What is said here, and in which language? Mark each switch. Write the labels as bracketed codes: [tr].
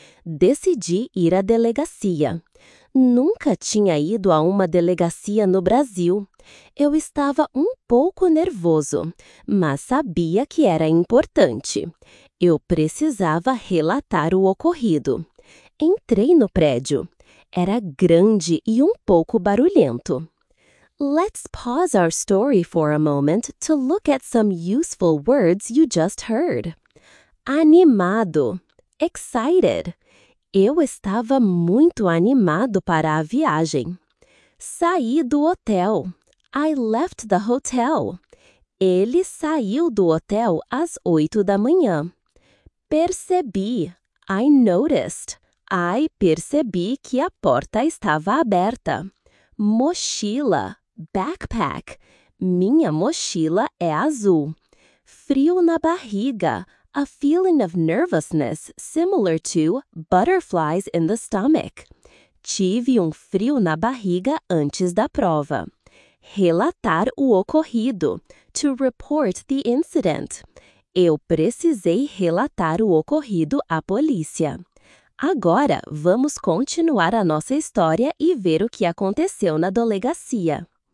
[pt] Decidi ir à delegacia. Nunca tinha ido a uma delegacia no Brasil. Eu estava um pouco nervoso, mas sabia que era importante. Eu precisava relatar o ocorrido. Entrei no prédio. Era grande e um pouco barulhento. [en] Let's pause our story for a moment to look at some useful words you just heard. [pt] Animado. [en] Excited. [pt] Eu estava muito animado para a viagem. Saí do hotel. [en] I left the hotel. [pt] Ele saiu do hotel às 8 da manhã. Percebi. [en] I noticed. [pt] I percebi que a porta estava aberta. Mochila. [en] Backpack. [pt] Minha mochila é azul. Frio na barriga. [en] A feeling of nervousness similar to butterflies in the stomach. [pt] Tive um frio na barriga antes da prova. Relatar o ocorrido. [en] To report the incident. [pt] Eu precisei relatar o ocorrido à polícia. Agora, vamos continuar a nossa história e ver o que aconteceu na delegacia.